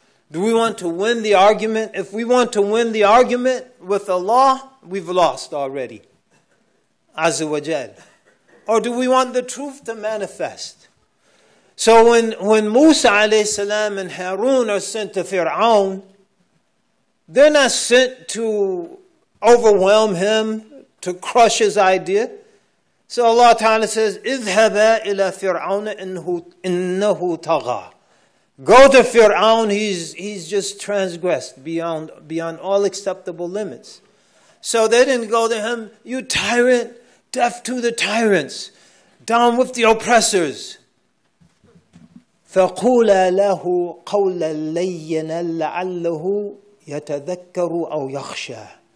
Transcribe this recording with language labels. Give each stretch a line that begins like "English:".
English: Do we want to win the argument? If we want to win the argument with Allah, we've lost already. Azza wa Jal. Or do we want the truth to manifest? So when Musa alayhi salam and Harun are sent to Fir'aun, they're not sent to overwhelm him, to crush his idea. So Allah Ta'ala says,
Arabic: اِذْهَبَا إِلَى فِرْعَوْنَ إِنَّهُ تَغَى.
English: Go to Fir'aun, he's just transgressed beyond all acceptable limits. So they didn't go to him, you tyrant, deaf to the tyrants, down with the oppressors.
Arabic: فَقُولَ لَهُ قَوْلَ لَيِّنَ لَعَلَّهُ يَتَذَكَّرُ أَوْ يَخْشَى.